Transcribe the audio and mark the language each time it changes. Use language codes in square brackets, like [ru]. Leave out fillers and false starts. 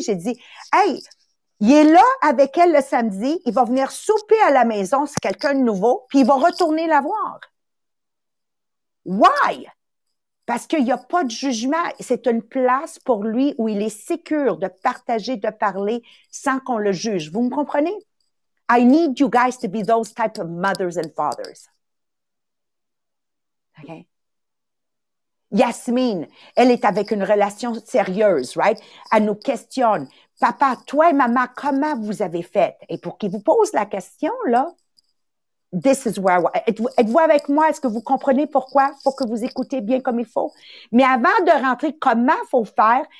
[fr] J'ai dit, hey, il est là avec elle le samedi, il va venir souper à la maison, c'est quelqu'un de nouveau, puis il va retourner la voir. [en] Why? [fr] Parce qu'il n'y a pas de jugement. C'est une place pour lui où il est sécure de partager, de parler sans qu'on le juge. Vous me comprenez? [en] I need you guys to be those type of mothers and fathers. Okay. [fr] Yasmine, elle est avec une relation sérieuse, [en] right? [fr] Elle nous questionne. Papa, toi et maman, comment vous avez fait? Et pour qu'ils vous posent la question, là, [en] this is where I was. [fr] Êtes-vous avec moi? Est-ce que vous comprenez pourquoi? Faut que vous écoutez bien comme il faut. Mais avant de rentrer, comment faut faire?